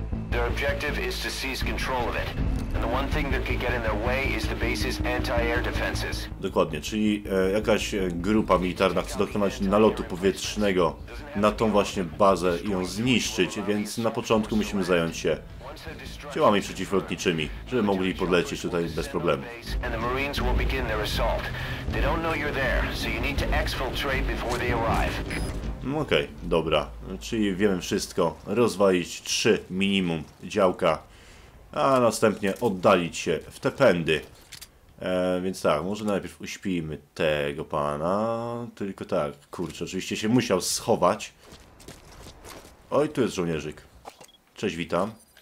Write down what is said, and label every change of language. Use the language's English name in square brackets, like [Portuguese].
[English] Their objective is to seize control of it. And the one thing that could get in their way is the base's anti-air defenses. [Polish] Dokładnie, czyli jakaś grupa militarna chce dokonać nalotu powietrznego na tą właśnie bazę i ją zniszczyć, więc na początku musimy zająć się działami przeciwlotniczymi, żeby mogli podlecieć tutaj bez problemu. [English] And the Marines will begin their assault. They don't know you're there, so you need to exfiltrate before they arrive. [Polish] Okej, dobra. Czyli wiemy wszystko. Rozwalić 3 minimum działka, a następnie oddalić się w te pędy. Więc tak, może najpierw uśpijmy tego pana. Tylko tak, kurczę, oczywiście się musiał schować. Oj, tu jest żołnierzyk. Cześć, witam.